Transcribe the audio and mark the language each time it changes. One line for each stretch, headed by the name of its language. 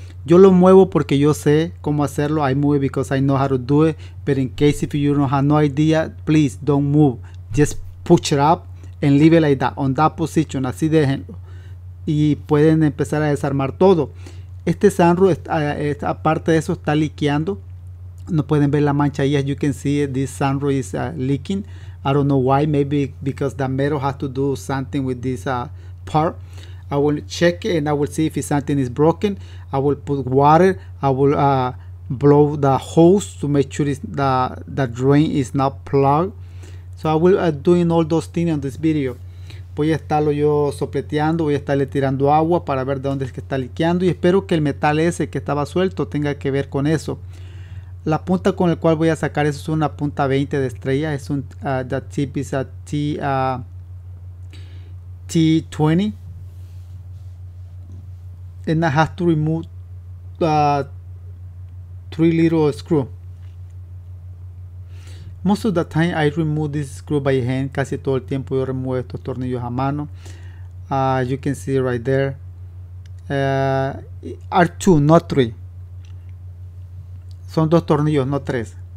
Spanish: Yo lo muevo porque yo sé cómo hacerlo.
English: I move it because I know how to do it. But in case if you don't have no idea, please don't move. Just push it up. En leave it like that, on that position,
Spanish: así déjenlo. Y pueden empezar a desarmar todo. Este sunroof, aparte de eso, está liqueando. No pueden ver la mancha ahí.
English: As you can see, this sunroof is leaking. I don't know why, maybe because the metal has to do something with this part. I will check it and I will see if something is broken. I will put water. I will blow the hose to make sure the drain is not plugged. So I will be doing all those things on this video.
Spanish: Voy a estarlo yo sopleteando, voy a estarle tirando agua para ver de dónde es que está liqueando y espero que el metal ese que estaba suelto tenga que ver con eso. La punta con la cual voy a sacar eso es una punta 20 de estrella, es un
English: the tip is a T20. And I have to remove three little screws. Most of the time I remove this screw by hand.
Spanish: Casi todo el tiempo yo remuevo estos tornillos a mano.
English: You can see right there. Are two, not three.
Spanish: Son dos tornillos, no tres.